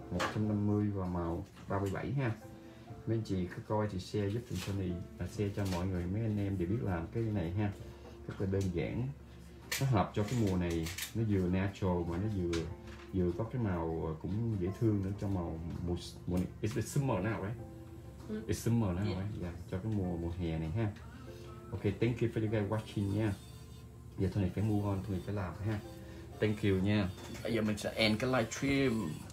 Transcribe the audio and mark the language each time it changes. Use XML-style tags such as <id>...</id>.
<vi>150 và màu 37 ha. Mấy anh chị cứ coi thì share giúp mình Sony và share cho mọi người, mấy anh em để biết làm cái này ha. Rất là đơn giản. Nó hợp cho cái mùa này, nó vừa natural mà nó vừa có cái màu cũng dễ thương nữa cho màu mùa này.</vi> <en>It's summer now, right? It's summer now, yeah. Right? Yeah,</en> <vi>cho cái mùa hè này ha.</vi> <en>Ok, thank you for you guys watching nha.</en> <vi>Giờ thôi này phải move on, thôi này phải làm ha.</vi> <en>Thank you</en> <vi>nha. Bây giờ mình sẽ end cái live stream.</vi>